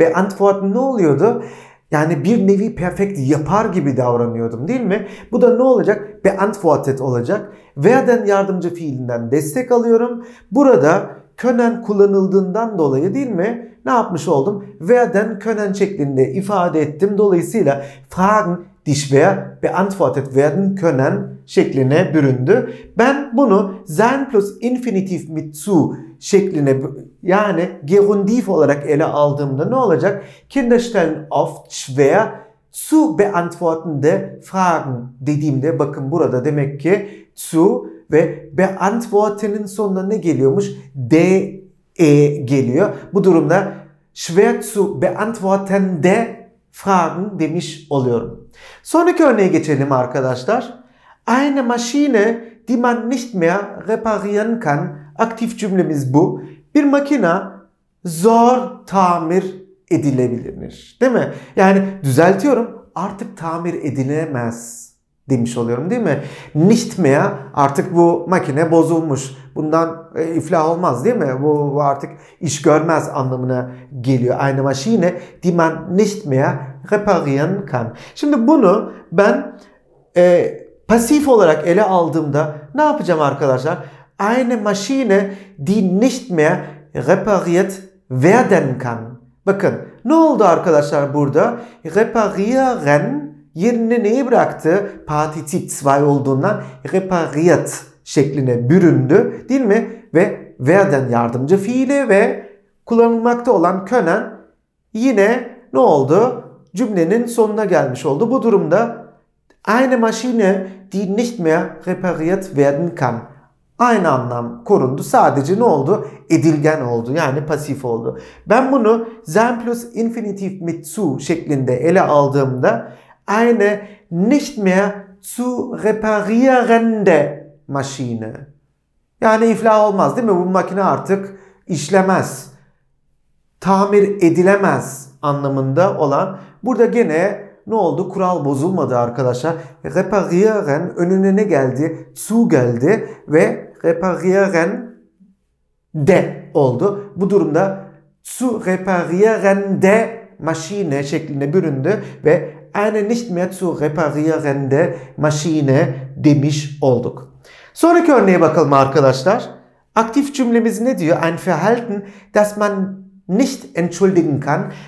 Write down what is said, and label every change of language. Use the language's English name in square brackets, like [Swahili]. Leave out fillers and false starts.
[Turkish] Beantworten ne oluyordu? Yani bir nevi perfect yapar gibi davranıyordum değil mi? Bu da ne olacak? Beantwortet olacak. Werden yardımcı fiilinden destek alıyorum. Burada können kullanıldığından dolayı değil mi? Ne yapmış oldum? [German] Werden können [Turkish] şeklinde ifade ettim. Dolayısıyla Fragen [German] dich wer beantwortet werden können [Turkish] şekline büründü. Ben bunu sein plus infinitiv mit zu şekline, yani gerundiv olarak ele aldığımda ne olacak? [German] Kinder stellen oft schwer zu beantwortende Fragen [Turkish] dediğimde, bakın burada demek ki zu ve beantworten'in sonuna ne geliyormuş? De geliyor. Bu durumda [German] schwer zu beantwortende Fragen [Turkish] demiş oluyorum. Sonraki örneğe geçelim arkadaşlar. [German] Eine Maschine, die man nicht mehr reparieren kann. [Turkish] Aktif cümlemiz bu. Bir makina zor tamir edilebilir. Değil mi? Yani düzeltiyorum. Artık tamir edilemez demiş oluyorum, değil mi? [German] Nicht mehr, [Turkish] artık bu makine bozulmuş. Bundan iflah olmaz, değil mi? Bu artık iş görmez anlamına geliyor. [German] Eine Maschine, die man nicht mehr reparieren kann. [Turkish] Şimdi bunu ben pasif olarak ele aldığımda ne yapacağım arkadaşlar? [German] Eine Maschine, die nicht mehr repariert werden kann. [Turkish] Bakın ne oldu arkadaşlar burada? Reparieren yerine neyi bıraktı? Partizip 2 olduğundan repariert şekline büründü, değil mi? Ve werden yardımcı fiili ve kullanılmakta olan können yine ne oldu? Cümlenin sonuna gelmiş oldu. Bu durumda [German] eine Maschine, die nicht mehr repariert werden kann. [Turkish] Aynı anlam korundu. Sadece ne oldu? Edilgen oldu. Yani pasif oldu. Ben bunu sein plus infinitiv mit zu şeklinde ele aldığımda [German] eine nicht mehr zu reparierende Maschine. [Turkish] Yani iflah olmaz, değil mi? Bu makine artık işlemez, tamir edilemez anlamında olan. Burada gene ne oldu? Kural bozulmadı arkadaşlar. Reparieren önüne ne geldi? Zu geldi ve reparieren de oldu. Bu durumda [German] zu reparieren de Maschine [Turkish] şeklinde büründü ve [German] eine nicht mehr zu reparierende Maschine [Turkish] demiş olduk. Sonraki örneğe bakalım arkadaşlar. Aktif cümlemiz ne diyor? [German] Ein Verhalten, das man nicht entschuldigen kann.